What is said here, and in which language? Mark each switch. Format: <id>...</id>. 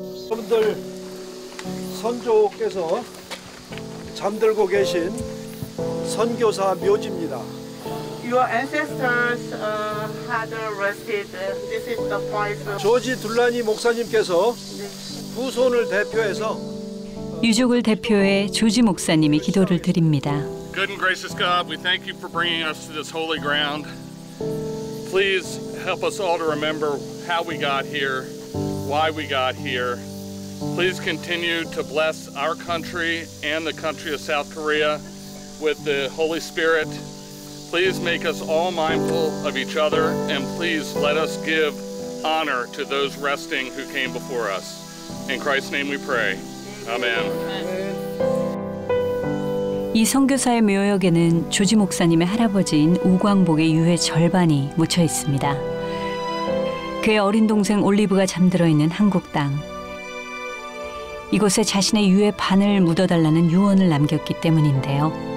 <ko>여러분들, 선조께서 잠들고 계신 선교사 묘지입니다.</ko> <en>Your ancestors had rested. This is the place.</en> <ko>조지 둘라니 목사님께서 후손을 대표해서 유족을 대표해 조지 목사님이 기도를 드립니다.</ko> <en>Good and gracious God, we thank you for bringing us to this holy ground. Please help us all to remember how we got here, why we got here. Please continue to bless our country and the country of South Korea with the Holy Spirit. Please make us all mindful of each other, and please let us give honor to those resting who came before us. In Christ's name we pray. Amen.</en> <ko>이 선교사의 묘역에는 조지 목사님의 할아버지인 우광복의 유해 절반이 묻혀 있습니다. 그의 어린 동생 올리브가 잠들어 있는 한국 땅. 이곳에 자신의 유해 반을 묻어달라는 유언을 남겼기 때문인데요.</ko>